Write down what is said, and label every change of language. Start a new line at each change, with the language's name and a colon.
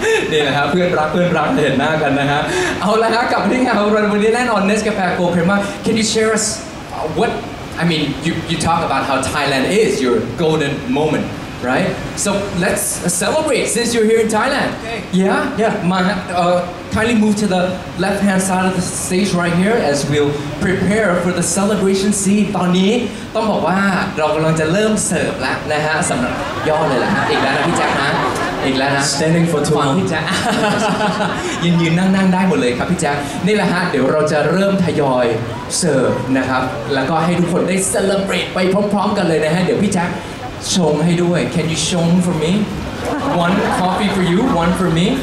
Thai: นี่นะครับเพื่อนรักเพื่อนรักเห็นหน้ากันนะฮะเอาละฮะกลับที่งานของเราวันนี้แน่นอน Nescafe Gold Crema
English: Can you share us whatI mean, you talk about how Thailand is your golden moment, right? So let's celebrate since you're here in Thailand. Okay. Yeah? Yeah. Kindly move to the left-hand side of the stage right here as we'll prepare for the celebration scene.
Thai: ตอนนี้ต้องบอกว่าเรากำลังจะเริ่มเสิร์ฟแล้วนะฮะสำหรับยอดเลยล่ะฮะอีกแล้วนะพี่แจ๊คฮะอีกแล้วนะ
English: Standing for too long
Thai: พี่แจ๊คยืนยืนนั่งนั่งได้หมดเลยครับพี่แจ๊คนี่แหละฮะเดี๋ยวเราจะเริ่มทยอยเสิร์ฟนะครับแล้วก็ให้ทุกคนได้ celebrate ไปพร้อมๆกันเลยนะฮะเดี๋ยวพี่แจ๊คชงให้ด้วย
English: Can you show for me
Thai: one coffee for you one for me